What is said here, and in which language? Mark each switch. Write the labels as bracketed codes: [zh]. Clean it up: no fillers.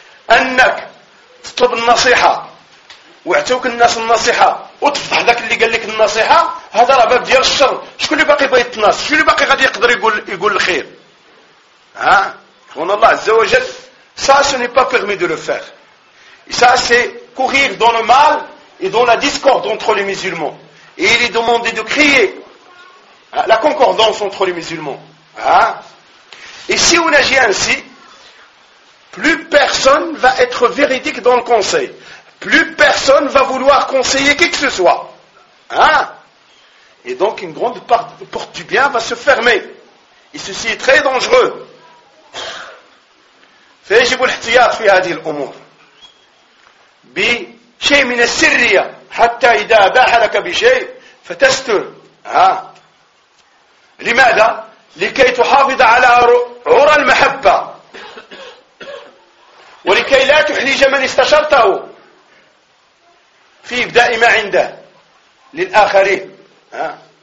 [ar] أنك تطلب النصيحة واعطوك الناس النصيحة وتفضح ذاك اللي قال لك النصيحة، هذا راه باب ديال الشر. شكون اللي باقي بغيت الناس؟ شكون اللي باقي غادي يقدر يقول الخير؟ ها هنا الله عز وجل [fr] سا سوني با بيرمي دو لو فير. Et ça, c'est courir dans le mal et dans la discorde entre les musulmans. Et il est demandé de créer la concordance entre les musulmans. Hein? Et si on agit ainsi, plus personne va être véridique dans le conseil. Plus personne va vouloir conseiller qui que ce soit. Hein? Et donc, une grande porte du bien va se fermer. Et ceci est très dangereux. [ar] فيجب الاحتياط في هذه الأمور. بشيء من السرية حتى إذا باح لك بشيء فتستر. ها. لماذا؟ لكي تحافظ على عرى المحبة ولكي لا تحرج من استشرته في إبداء ما عنده للآخرين. ها.